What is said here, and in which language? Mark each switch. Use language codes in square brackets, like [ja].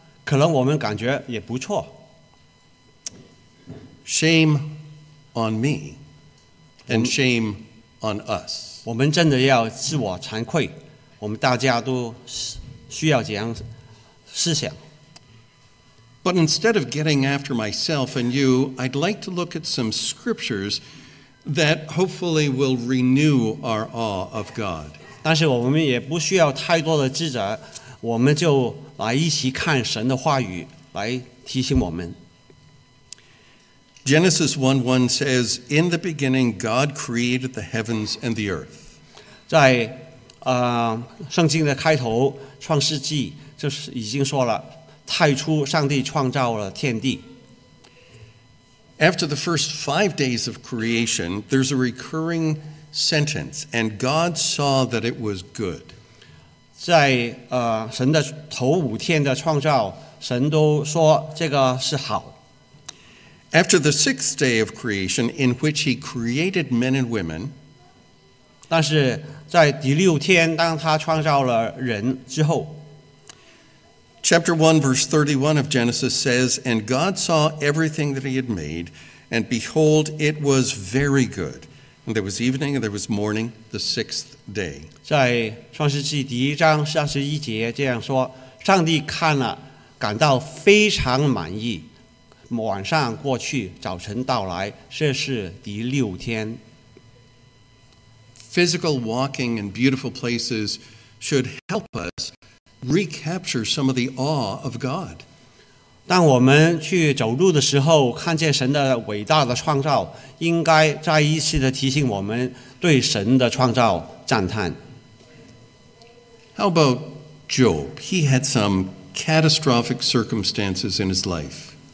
[zh] 可能我们感觉也不错。 [en] Shame on me and shame on us. [zh] 我们真的要自我惭愧, 我们大家都需要这样思想。 [en] But instead of getting after myself and you, I'd like to look at some scriptures that hopefully will renew our awe of God. [zh] 但是我们也不需要太多的记载, 我们就来一起看神的话语, 来提醒我们。 [en] Genesis 1:1 says, In the beginning, God created the heavens and the earth. [zh] 在 圣经的开头, 创世纪, 就是已经说了, 太初上帝创造了天地。 [en] After the first 5 days of creation, there's a recurring sentence, and God saw that it was good. [zh] 在 神的头五天的创造, 神都说这个是好。 [en] After the sixth day of creation, in which he created men and women, [zh] 但是在第六天, 当他创造了人之后, [en] Chapter 1, verse 31 of Genesis says, And God saw everything that he had made, and behold, it was very good. And there was evening, and there was morning, the sixth day. [zh] 在创世纪第一章三十一节这样说, 上帝看了, 感到非常满意, 晚上过去, 早晨到来, 这是第六天。 [en] Physical walking in beautiful places should help us recapture some of the awe of God. [zh] 当我们去走路的时候, 看见神的伟大的创造, 应该再一次地提醒我们对神的创造赞叹。 [en] How about Job? He had some catastrophic circumstances in his life.